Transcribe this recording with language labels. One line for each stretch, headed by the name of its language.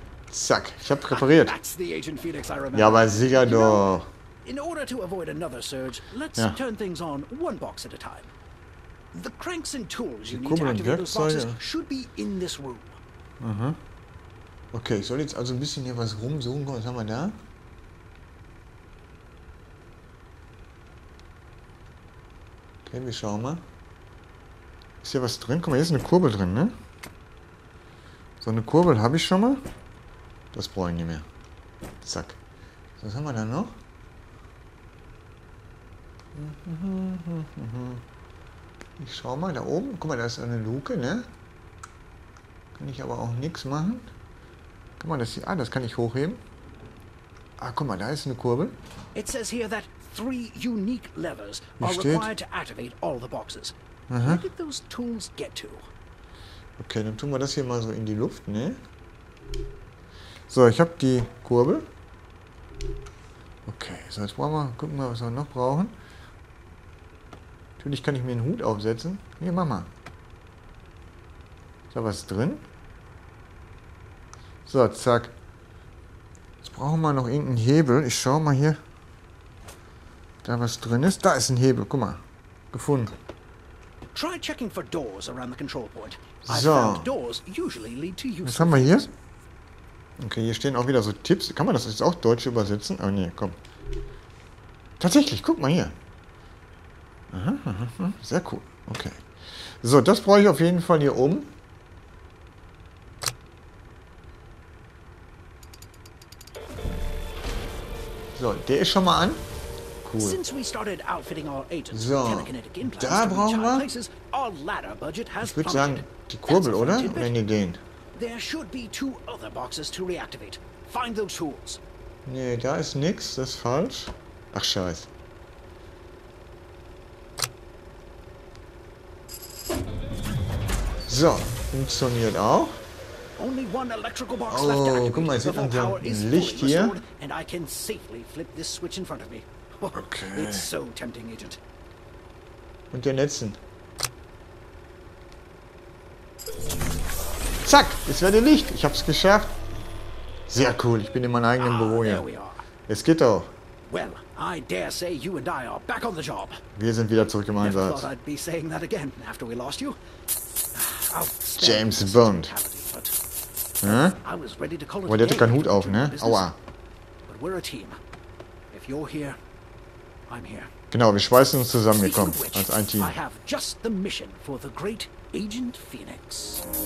German: Zack. Ich hab repariert. Ja, aber sicher doch.
English: In order to avoid another surge, let's turn things on one box at a time. The cranks and tools you need to activate those boxes should be in this room. Mhm.
German: Okay, ich soll jetzt also ein bisschen hier was rumsuchen. Was haben wir da? Okay, wir schauen mal. Ist hier was drin? Guck mal, hier ist eine Kurbel drin, ne? So eine Kurbel habe ich schon mal. Das brauche ich nicht mehr. Zack. Was haben wir da noch? Ich schau mal da oben. Guck mal, da ist eine Luke, ne? Kann ich aber auch nichts machen. Guck mal, das hier. Ah, das kann ich hochheben. Ah, guck mal, da ist eine Kurbel.
English: It says here that three unique levers are required to activate all the boxes. Where did those tools get to?
German: Okay, dann tun wir das hier mal so in die Luft, ne? So, ich habe die Kurbel. Okay, so jetzt brauchen wir, gucken wir, was wir noch brauchen. Natürlich kann ich mir einen Hut aufsetzen. Hier, mach mal. Ist da was drin? So, zack. Jetzt brauchen wir noch irgendeinen Hebel. Ich schau mal hier, ob da was drin ist. Da ist ein Hebel, guck mal. Gefunden.
English: Try checking for doors around the control point.
German: So. Was haben wir hier? Okay, hier stehen auch wieder so Tipps. Kann man das jetzt auch deutsch übersetzen? Oh ne, komm. Tatsächlich, guck mal hier. Aha, sehr cool. Okay. So, das brauche ich auf jeden Fall hier oben. So, der ist schon mal an. Cool. So, da brauchen wir. Ich würde sagen, die Kurbel, oder? Wenn ihr den.
English: There should be two other boxes to reactivate. Find those tools.
German: Nee, da ist nix. Das ist falsch. Ach, scheiße. So, funktioniert auch.
English: Only one electrical box left.
German: Oh, guck mal, jetzt haben wir ein Licht hier.
English: And I can safely flip this switch in front of me. Okay. It's so tempting, Agent.
German: Und den letzten. Zack, jetzt werde Licht. Ich hab's geschafft. Sehr cool, ich bin in meinem eigenen Büro hier. Es geht doch.
English: Well, I dare say you and I are back on the job.
German: Wir sind wieder zurück im Einsatz.
English: Never thought I'd be saying that again after we lost you.
German: James Bond. Hä? Der hat keinen Hut auf, ne? Aua.
English: But we're a team. If you're here, I'm here.
German: Genau, wir schweißen uns zusammen, wir kommen als ein Team.
English: I have just the mission for the great Agent Phoenix.